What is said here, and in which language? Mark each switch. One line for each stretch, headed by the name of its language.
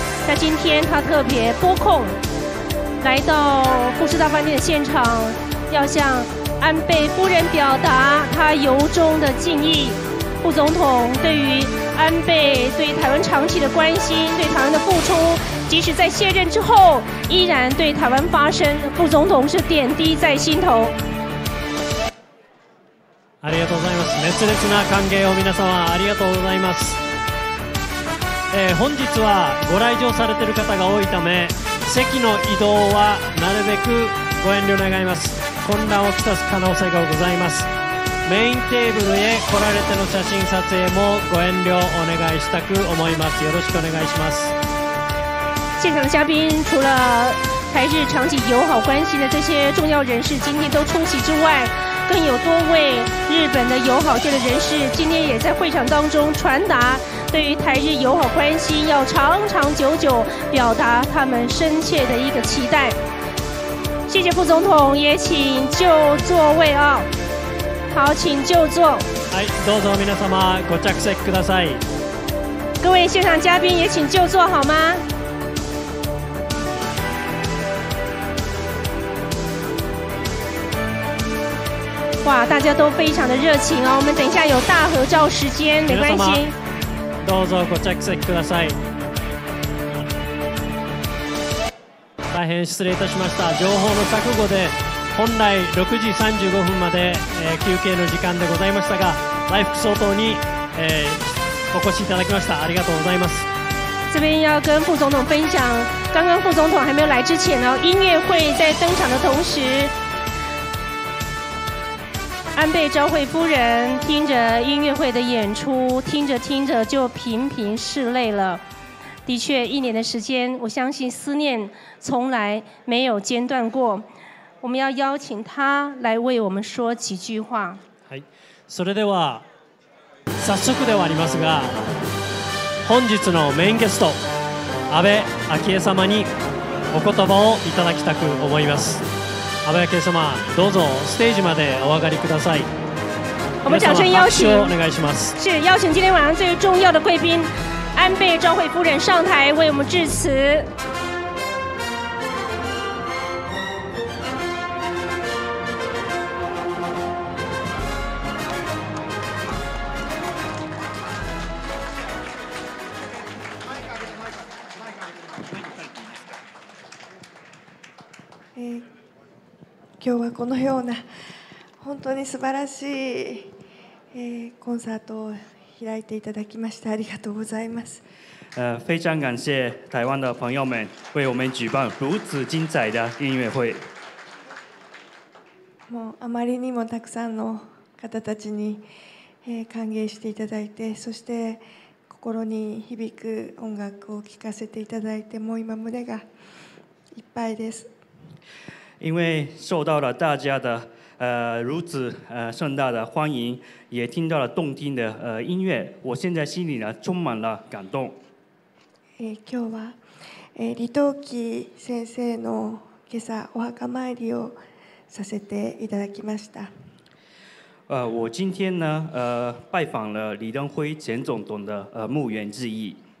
Chinese: 那今天他特别拨空来到富士大饭店的现场，要向安倍夫人表达他由衷的敬意。副总统对于安倍对台湾长期的关心，对台湾的付出，即使在卸任之后依然对台湾发声，副总统是点滴在心头。
Japanese: ありがとうございます。熱烈な歓迎を皆様ありがとうございます。本日はご来場されている方が多いため、席の移動はなるべくご遠慮願います。混乱をきたす可能性がございます。メインテーブルへ来られての写真撮影もご遠慮お願いしたく思います。よろしくお願いします。
Chinese: 现场的嘉宾除了台日长期友好关系的这些重要人士今天都出席之外，更有多位日本的友好界的人士今天也在会场当中传达对于台日友好关系要长长久久表达他们深切的一个期待。谢谢副总统，也请就座位啊。好，请就座。
Japanese: 哎，どうぞ皆様ご着席ください。
Chinese: 各位现场嘉宾也请就座好吗？哇，大家都非常的热情哦。我们等一下有大合照时间，没关系。
Japanese: どうぞご着席ください。大変失礼いたしました。情報の錯誤で本来6時35分まで、休憩の時間でございましたが、来福総統に、お越しいただきました。ありがとうございます。
Chinese: 这边要跟副总统分享，刚刚副总统还没有来之前呢，音乐会在登场的同时，安倍昭惠夫人听着音乐会的演出，听着听着就频频拭泪了。的确，一年的时间，我相信思念从来没有间断过。我们要邀请他来为我们说几句话。
Japanese: はい、それでは早速ではありますが、本日のメインゲスト安倍昭恵様にお言葉をいただきたく思います。安倍昭恵様、どうぞステージまでお上がりください。
Chinese: 我们掌声邀请，
Japanese: お願いします。
Chinese: 是邀请今天晚上最重要的贵宾。安倍昭惠夫人上台为我们致辞。
Japanese: 今日はこのような本当に素晴らしい、コンサートを開いていただきましてありがとうございます。
Chinese: 非常感谢台湾的朋友们为我们举办如此精彩的音乐会。
Japanese: もうあまりにもたくさんの方たちに、歓迎していただいて、そして心に響く音楽を聴かせていただいて、もう今胸がいっぱいです。
Chinese: 因为受到了大家的如此盛大的欢迎，也听到了动听的音乐，我现在心里呢充满了感动。
Japanese: 今日は李登輝先生の今朝お墓参りをさせていただきました。
Chinese: 我今天呢拜访了李登輝前总统的墓园致意。